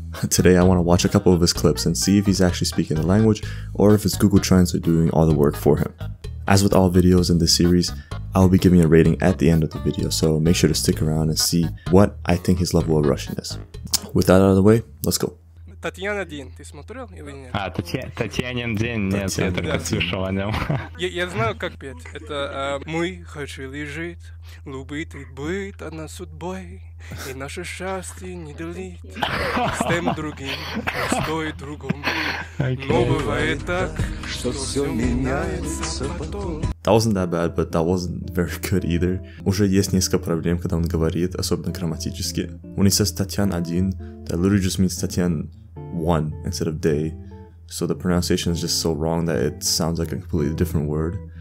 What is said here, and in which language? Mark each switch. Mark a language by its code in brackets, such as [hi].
[en] Today, I want to watch a couple of his clips and see if he's actually speaking the language or if it's Google Translate doing all the work for him. As with all videos in this series, I will be giving a rating at the end of the video, so make sure to stick around and see what I think his level of Russian is. With that out of the way, let's go. [ru] Татьяна день, ты смотрел или нет? Татьянин день, нет, Татьяна, я только слышал о нем. Я знаю, как петь. Это мы хотели жить, любить и быть одна судьбой, и наше счастье не делить с тем другим, с той другом. Но бывает так, что все меняется потом. [en] That wasn't that bad, but that wasn't very good either. [ru] Уже есть несколько проблем, когда он говорит, особенно грамматически. [en] When he says [ru] Татьяна один, [en] that literally just means Татьяна one instead of day. So the pronunciation is just so wrong that it sounds like a completely different word.